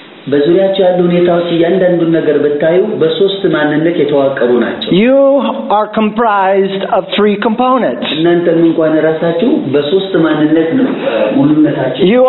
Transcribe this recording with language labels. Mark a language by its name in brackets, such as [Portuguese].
[Amharic] በዙሪያችሁ ያሉ ሁኔታዎች እያንዳንዱ ነገር በታዩ በሶስት ማንነት የተዋቀሩ ናቸው. [English] You are comprised of three components. [Amharic] እናንተም እንኳን ራሳችሁ በሶስት ማንነት ነው ሙሉነታችሁ.